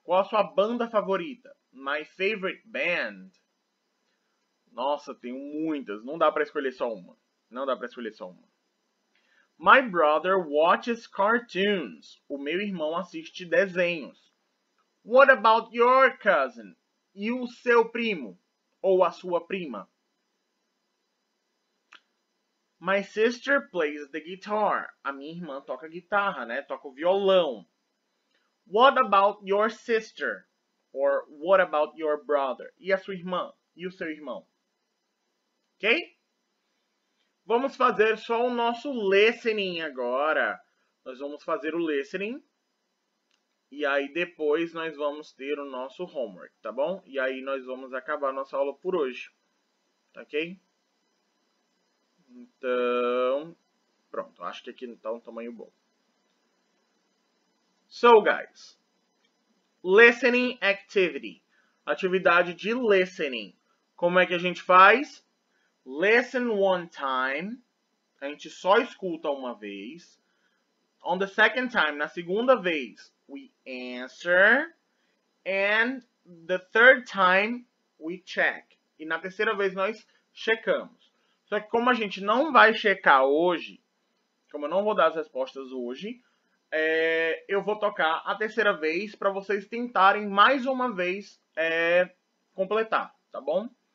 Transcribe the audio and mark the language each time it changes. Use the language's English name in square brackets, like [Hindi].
[Portuguese] Qual a sua banda favorita? [English] My favorite band. [Portuguese] Nossa, tenho muitas. Não dá pra escolher só uma. Não dá pra escolher só uma. [English] My brother watches cartoons. [Portuguese] O meu irmão assiste desenhos. [English] What about your cousin? [Portuguese] E o seu primo? Ou a sua prima? [English] My sister plays the guitar. [Portuguese] A minha irmã toca guitarra, né? Toca o violão. [English] What about your sister? Or what about your brother? [Portuguese] E a sua irmã? E o seu irmão? Ok? Vamos fazer só o nosso listening agora. Nós vamos fazer o listening. E aí depois nós vamos ter o nosso homework, tá bom? E aí nós vamos acabar nossa aula por hoje. Ok? Então, Pronto, acho que aqui está um tamanho bom. [English] So, guys. Listening activity. [Portuguese] Atividade de listening. Como é que a gente faz? [English] Listen one time. [Portuguese] A gente só escuta uma vez. [English] On the second time, [Portuguese] na segunda vez, [English] we answer. And the third time, we check. [Portuguese] E na terceira vez, nós checamos. Só que como a gente não vai checar hoje, como eu não vou dar as respostas hoje, eu vou tocar a terceira vez para vocês tentarem mais uma vez completar, tá bom?